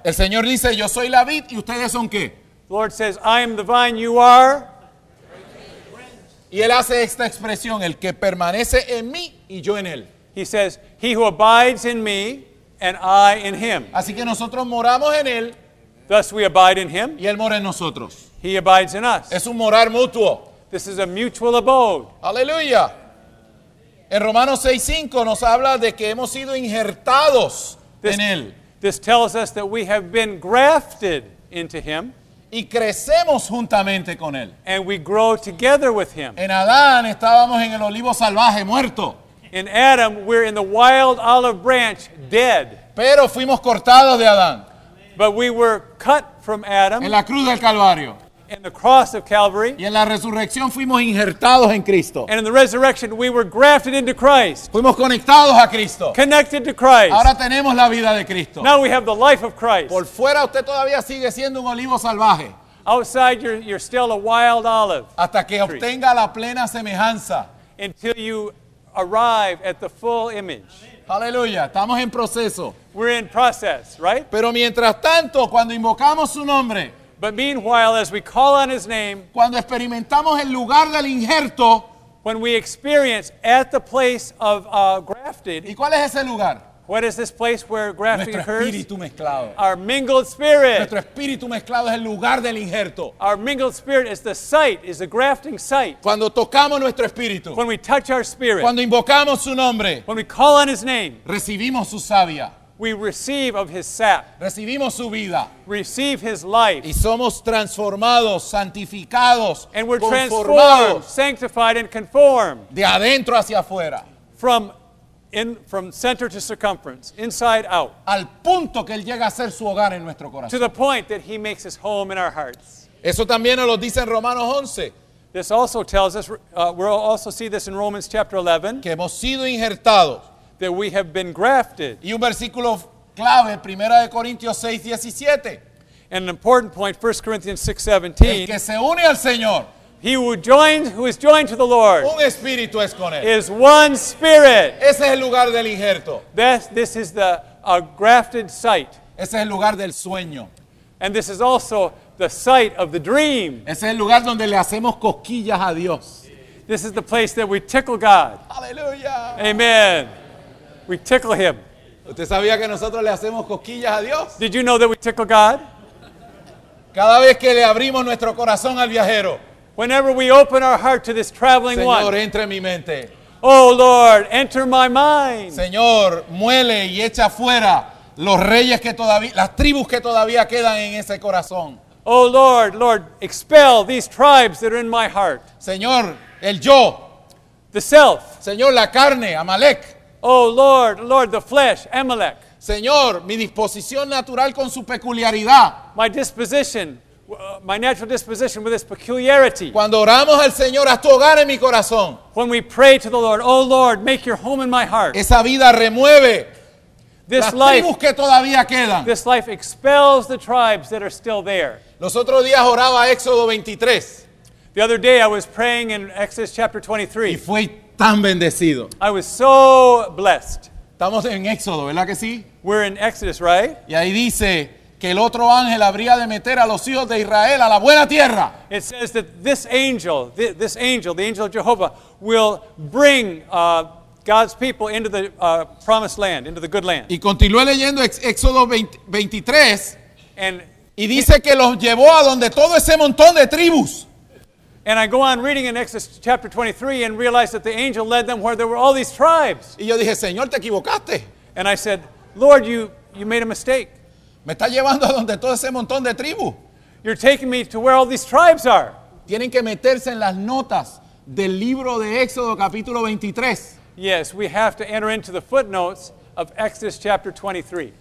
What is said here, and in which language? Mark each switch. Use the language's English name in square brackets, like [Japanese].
[Spanish] El Señor dice, yo soy la vid y ustedes son qué? [English] The Lord says, I am the vine, you are. [Spanish] Y él hace esta expresión, el que permanece en mí y yo en él. [English] He says, he who abides in me and I in him. [Spanish] Así que nosotros moramos en él. [English] Thus we abide in him. [Spanish] Y él mora en nosotros. [English] He abides in us. [Spanish] Es un morar mutuo. [English] This is a mutual abode. [Spanish] Aleluya. En Romanos 6:5 nos habla de que hemos sido injertados en él. [English] This tells us that we have been grafted into him. [Spanish] Y crecemos juntamente con él. [English] And we grow together with him. [Spanish] En Adán estábamos en el olivo salvaje muerto. [English] In Adam, we're in the wild olive branch, dead. [Spanish] Pero fuimos cortados de Adán. [English] But we were cut from Adam. [Spanish] En la cruz del Calvario. [English] In the cross of Calvary. [Spanish] Y en la resurrección fuimos injertados en Cristo. [English] And in the resurrection, we were grafted into Christ. [Spanish] Fuimos conectados a Cristo. [English] Connected to Christ. [Spanish] Ahora tenemos la vida de Cristo. [English] Now we have the life of Christ. [Spanish] Por fuera usted todavía sigue siendo un olivo salvaje. [English] Outside, you're still a wild olive. [Spanish] Hasta que [English] tree. [Spanish] Obtenga la plena semejanza. [English] Until you arrive at the full image. [Spanish] Hallelujah. Estamos en proceso. [English] We're in process, right? [Spanish] Pero mientras tanto, cuando invocamos su nombre, [English] but meanwhile, as we call on his name, [Spanish] cuando experimentamos el lugar del injerto, [English] when we experience at the place of grafted, [Spanish] ¿y cuál es ese lugar? [English] What is this place where grafting occurs? [Spanish] Nuestro espíritu mezclado. [English] Our mingled spirit. [Spanish] Nuestro espíritu mezclado es el lugar del injerto. [English] Our mingled spirit is the site, is the grafting site. [Spanish] Cuando tocamos nuestro espíritu. [English] When we touch our spirit. [Spanish] Cuando invocamos su nombre. [English] When we call on his name. [Spanish] Recibimos su savia. [English] We receive of his sap. [Spanish] Recibimos su vida. [English] Receive his life. [Spanish] Y somos transformados, santificados, [English] and we're [Spanish] conformados. [English] Transformed, sanctified, and conformed. [Spanish] De adentro hacia afuera. [English] From center to circumference, inside out. [Spanish] Al punto que él llega a ser su hogar en nuestro corazón. [English] To the point that he makes his home in our hearts. [Spanish] Eso también nos lo dice en Romanos 11. [English] This also tells us, we'll also see this in Romans chapter 11. [Spanish] Que hemos sido injertados. [English] That we have been grafted. [Spanish] Y un versículo clave, 1 Corintios 6, 17. [English] And an important point, 1 Corinthians 6, 17. [Spanish] El que se une al Señor. [English] He who is joined to the Lord. [Spanish] Un espíritu es con él. [English] Is one spirit. [Spanish] Ese es el lugar del injerto. [English] This is the grafted site. [Spanish] Ese es el lugar del sueño. [English] And this is also the site of the dream. [Spanish] Ese es el lugar donde le hacemos cosquillas a Dios. [English] This is the place that we tickle God. Hallelujah. Amen. We tickle him. [Spanish] ¿Usted sabía que nosotros le hacemos cosquillas a Dios? [English] Did you know that we tickle God? [Spanish] Cada vez que le abrimos nuestro corazón al viajero. [English] Whenever we open our heart to this traveling [Spanish] Señor, [English] one. [Spanish] Señor, entre mi mente. [English] Oh Lord, enter my mind. [Spanish] Señor, muele y echa fuera los reyes que todavía, las tribus que todavía quedan en ese corazón. [English] Oh Lord, Lord, expel these tribes that are in my heart. [Spanish] Señor, el yo. [English] The self. [Spanish] Señor, la carne, Amalek. [English] Oh Lord, Lord, the flesh, Amalek. [Spanish] Señor, mi disposición natural con su peculiaridad. [English] My disposition, my natural disposition with its peculiarity. [Spanish] Cuando oramos al Señor, haz tu hogar en mi corazón. [English] When we pray to the Lord, oh Lord, make your home in my heart. [Spanish] Esa vida remueve [English] this [Spanish] las [English] life, [Spanish] tribus que todavía quedan. [English] This life expels the tribes that are still there. [Spanish] Los otros días oraba Éxodo 23. [English] The other day I was praying in Exodus chapter 23. [Spanish] Y fue tan bendecido. [English] I was so blessed. [Spanish] Estamos en Éxodo, ¿verdad que sí? [English] We're in Exodus, right? [Spanish] Y ahí dice que el otro ángel habría de meter a los hijos de Israel a la buena tierra. [English] It says that this angel, the angel of Jehovah, will bring God's people into the promised land, into the good land. [Spanish] Y continué leyendo Éxodo 23 [English] and [Spanish] y dice que los llevó a donde todo ese montón de tribus. [English] And I go on reading in Exodus chapter 23 and realize that the angel led them where there were all these tribes. [Spanish] Y yo dije, Señor, te equivocaste. [English] And I said, Lord, you made a mistake. [Spanish] Me está llevando a donde todo ese montón de tribu. [English] You're taking me to where all these tribes are. [Spanish] Tienen que meterse en las notas del libro de Éxodo capítulo 23. [English] Yes, we have to enter into the footnotes of Exodus chapter 23.